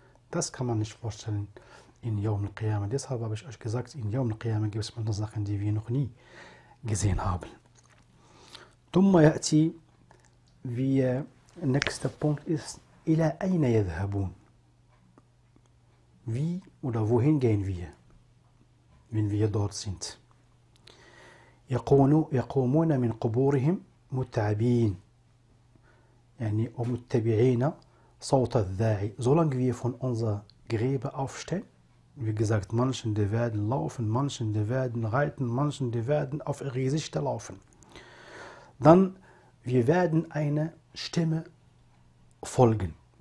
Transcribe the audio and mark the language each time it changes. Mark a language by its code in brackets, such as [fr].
[de] Das kann man nicht vorstellen in Yawm al-Qiyamah. Deshalb habe ich euch gesagt, in Yawm al-Qiyamah gibt es manche Sachen, die wir noch nie gesehen haben. [ar] Thumma ya'ti, [de] wie nächster Punkt ist, [ar] ila ayna yadhhabun. [de] Wie oder wohin gehen wir, wenn wir dort sind? [ar] يقومون من قبورهم متعبين. يعني ومتبعين صوت الداعي. [de] Solange wir von unserer Gräbe aufstehen, Wie gesagt, manchen, die werden laufen, manchen, die werden reiten, manchen, die werden auf ihre Gesichter laufen. Dann, wir werden eine Stimme folgen.